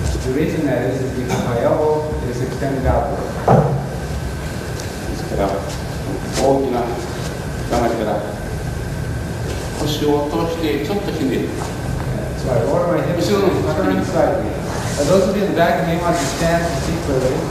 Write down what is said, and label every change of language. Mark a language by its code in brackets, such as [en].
[en] The reason that is because my elbow is extended outward. [ja] ですから大きな頭から腰を通してちょっとひねる。 [en] So I order my hips to turn slightly. Those of you in the back, you may want to stand to see clearly.